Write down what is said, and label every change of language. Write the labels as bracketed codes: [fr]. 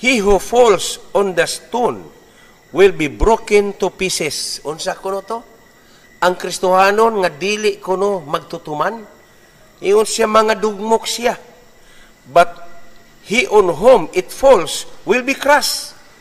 [en] He who falls on the stone will be broken to pieces. [ceb] Unsa kuno to? Ang Kristohanon nga dili kuno magtutuman. Ingon siya mga dugmok siya. [en] But he on whom it falls will be crushed.